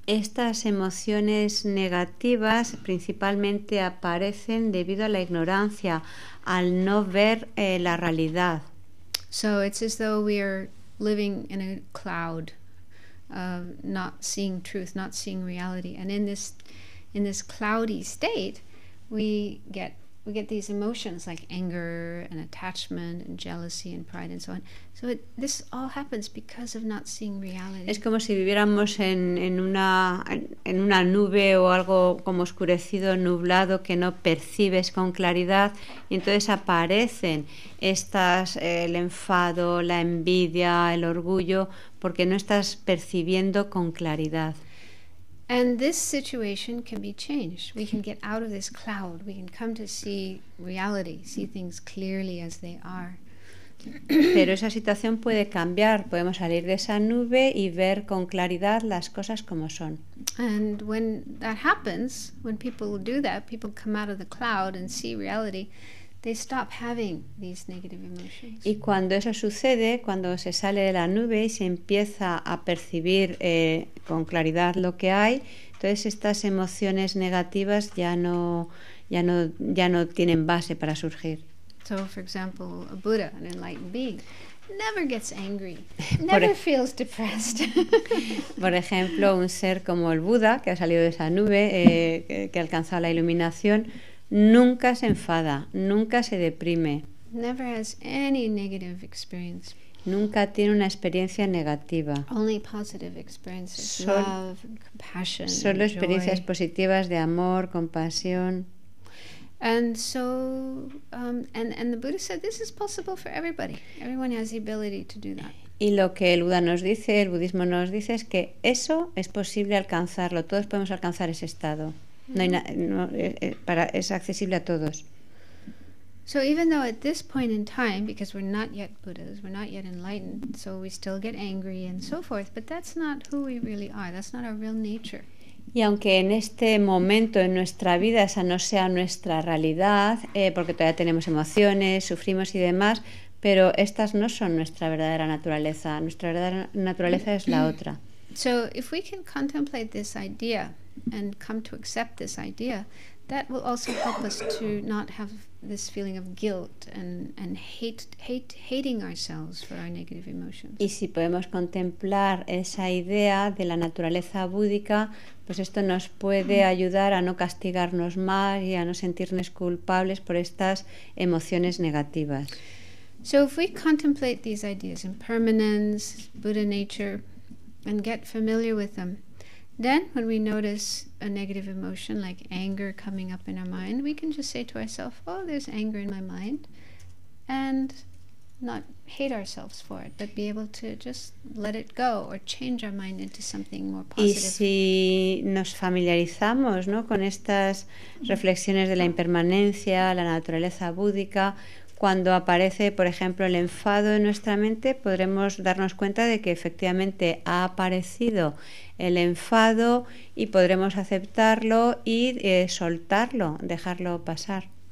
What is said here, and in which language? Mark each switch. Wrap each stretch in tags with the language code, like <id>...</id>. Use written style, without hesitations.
<es>Estas emociones negativas principalmente aparecen debido a la ignorancia, al no ver la realidad.</es> <en>So it's as though we are living in a cloud, not seeing truth, not seeing reality, and in this cloudy state, we get we get these emotions like anger and attachment and jealousy and pride and so on. So it, this all happens because of not seeing reality.</en> <es>Es como si viviéramos en una nube o algo como oscurecido, nublado, que no percibes con claridad, y entonces aparecen estas el enfado, la envidia, el orgullo, porque no estás percibiendo con claridad.</es> <en>And this situation can be changed. We can get out of this cloud. We can come to see reality, see things clearly as they are.</en> <es>Pero esa situación puede cambiar. Podemos salir de esa nube y ver con claridad las cosas como son.</es> <en>And when that happens, when people do that, people come out of the cloud and see reality, they stop having these negative emotions.</en> <es>Y cuando eso sucede, cuando se sale de la nube y se empieza a percibir con claridad lo que hay, entonces estas emociones negativas ya no tienen base para surgir.</es> <en>So, for example, a Buddha, an enlightened being, never gets angry, never feels depressed.</en> <es>Por ejemplo, un ser como el Buda, que ha salido de esa nube, que ha alcanzado la iluminación, nunca se enfada, nunca se deprime.</es> <en>Never has any negative experience.</en> <es>Nunca tiene una experiencia negativa.</es> <en>Only positive experiences. Love, compassion,</en> <es>solo experiencias positivas de amor, compasión.</es> <en>And so, and the Buddha said this is possible for everybody. Everyone has the ability to do that.</en> <es>Y lo que el Buda nos dice, el budismo nos dice, es que eso es posible alcanzarlo. Todos podemos alcanzar ese estado. Es accesible a todos.</es> <en>So even though at this point in time, because we're not yet Buddhas, we're not yet enlightened, so we still get angry and so forth, but that's not who we really are. That's not our real nature.</en> <es>Y aunque en este momento en nuestra vida esa no sea nuestra realidad, porque todavía tenemos emociones, sufrimos y demás, pero estas no son nuestra verdadera naturaleza. Nuestra verdadera naturaleza es la otra.</es> <en>So if we can contemplate this idea and come to accept this idea, that will also help us to not have this feeling of guilt and hating ourselves for our negative emotions.</en> <es>Y si podemos contemplar esa idea de la naturaleza búdica, pues esto nos puede ayudar a no castigarnos más y a no sentirnos culpables por estas emociones negativas.</es> <en>So if we contemplate these ideas, impermanence, Buddha nature, and get familiar with them, then when we notice a negative emotion like anger coming up in our mind, we can just say to ourselves, oh, there's anger in my mind, and not hate ourselves for it, but be able to just let it go or change our mind into something more positive.</en> <es>Y si nos familiarizamos, ¿no?, con estas reflexiones de la impermanencia, la naturaleza búdica, cuando aparece, por ejemplo, el enfado en nuestra mente, podremos darnos cuenta de que efectivamente ha aparecido el enfado y podremos aceptarlo y soltarlo, dejarlo pasar.</es>